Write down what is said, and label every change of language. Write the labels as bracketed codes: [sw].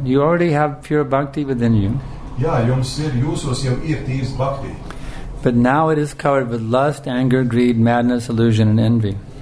[en] You already have pure bhakti within you. [lv] Ja, jums ir, jūsos jau ir tīrs bhakti. [en] But now it is covered with lust, anger, greed, madness, illusion and envy.